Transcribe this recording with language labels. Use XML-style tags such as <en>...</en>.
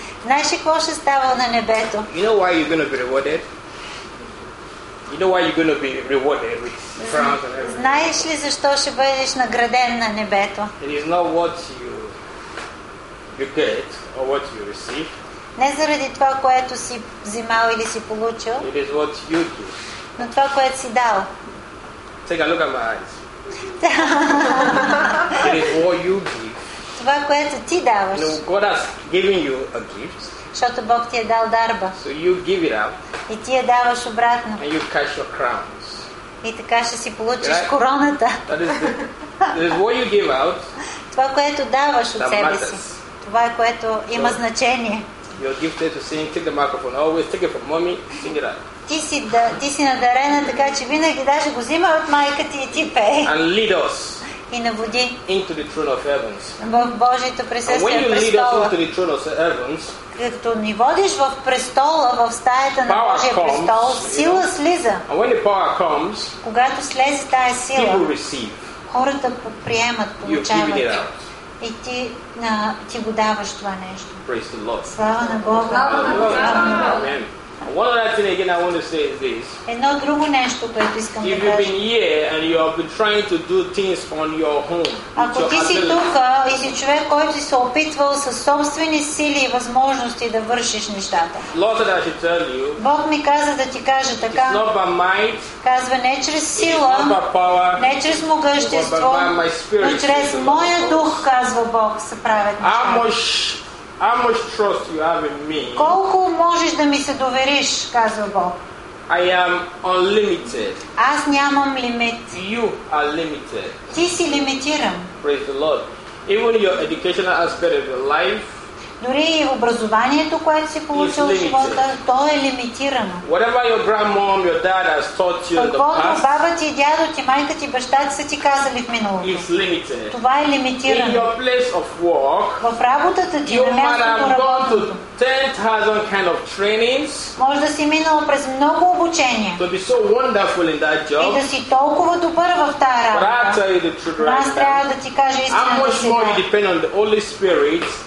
<bg>Знаеш ли какво ще става на небето?</bg> <en>You know why you're going to be rewarded? You know why you're going to be rewarded with crowns and everything?</en> <bg>Знаеш ли защо ще бъдеш награден на небето?</bg> <en>It is not what you get or what you receive.</en> <bg>Не заради това, което си взимал или си получил.</bg> <en>It is what you give.</en> <bg>Но това, което си дал.</bg> <en>Take a look at my eyes. It is what you give.</en> <bg>Това, което ти даваш.</bg> <en>No, God has given you a gift.</en> <bg>Защото Бог ти е дал дарба.</bg> <en>So you give it up.</en> <bg>И ти я даваш обратно.</bg> <en>And you catch your crowns.</en> <bg>И така ще си получиш</bg> <en>right?</en> <bg>короната.</bg> <en>That is what you give out.</en> <bg>Това, което даваш от себе си. Това, което има</bg> <en>so,</en> <bg>значение.</bg> <en>You're gifted to sing. Take the microphone. Always take it from mommy. Sing it out.</en> <bg>Ти си надарена, така че винаги даже го взимай от майка ти и ти пей.</bg> <en>And lead us.</en> <bg>И наводи</bg> <en>into the throne of heavens.</en> <bg>В Божието присъствие</bg> <en>when you lead us into the throne of heavens,</en> <bg>като ни водиш в престола, в стаята на Божия престол, сила слиза.</bg> <en>And when the power comes,</en> <bg>когато слезе тая сила,</bg> <en>people receive.</en> <bg>Хората приемат, получават. И ти, ти го даваш това нещо.</bg> <en>Praise the Lord.</en> <bg>Слава на Бога.</bg> <en>Amen. One other thing again I want to say is this.</en> <bg>Едно друго нещо, което искам да кажа.</bg> <en>If you've been here and you have been trying to do things on your home.</en> <bg>Ако ти си тук и си човек, който се опитвал със собствени сили и възможности да вършиш нещата.</bg> <en>Lord said I should tell you.</en> <bg>Бог ми каза да ти кажа така.</bg> <en>It's not by might.</en> <bg>Казва не чрез сила,</bg> <en>it's not by power,</en> <bg>не чрез могъщество, но чрез моя дух, казва Бог, се правят нещата.</bg> <en>How much trust you have in me?</en> <bg>Колко можеш да ми се довериш, казва Бог.</bg> <en>I am unlimited.</en> <bg>Аз нямам лимит.</bg> <en>You are limited.</en> <bg>Ти си лимитиран.</bg> <en>Praise the Lord. Even your educational aspect of your life.</en> <bg>Дори и образованието, което си получил в живота, то е лимитирано.</bg> <en>Whatever your grandmom, your dad has taught you in the past.</en> <bg>Каквото баба ти, дядо ти, майка ти, баща ти са ти казали в миналото.</bg> <en>It's limited.</en> <bg>Това е лимитирано.</bg> <en>In your place of work.</en> <bg>В работата ти, на мястото работа.</bg> <en>10,000 kind of trainings.</en> <bg>Може да си минал през много обучения.</bg> <en>To be so wonderful in that job.</en> <bg>И да си толкова добър в тази работа. Аз трябва да ти кажа истината.</bg> <en>How much more you depend on the Holy Spirit.</en>